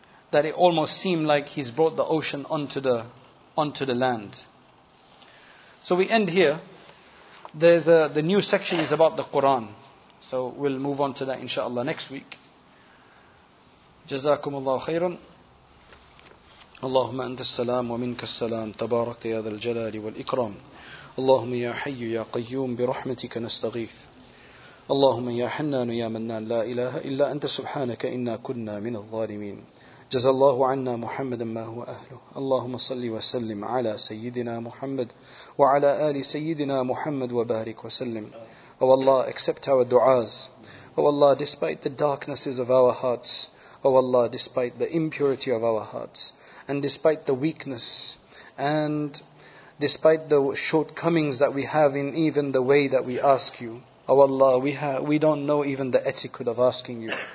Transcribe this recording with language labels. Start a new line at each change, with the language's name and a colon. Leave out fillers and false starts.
English: That it almost seemed like he's brought the ocean onto the land. So we end here. The new section is about the Quran. So we'll move on to that inshaAllah next week.
Arabic: جزاكم الله خيرا. اللهم أنت السلام ومنك السلام تبارك يا ذا الجلال والإكرام. اللهم يا حي يا قيوم برحمتك نستغيث. اللهم يا حنان يا منان لا إله إلا أنت سبحانك إنا كنا من الظالمين. جزا الله عنا محمدا ما هو أهله. اللهم صل وسلم على سيدنا محمد وعلى آل سيدنا محمد وبارك وسلم.
English: Oh Allah, accept our du'as. Oh Allah, despite the darknesses of our hearts. Oh Allah, despite the impurity of our hearts. And despite the weakness. And despite the shortcomings that we have in even the way that we ask you. Oh Allah, we don't know even the etiquette of asking you.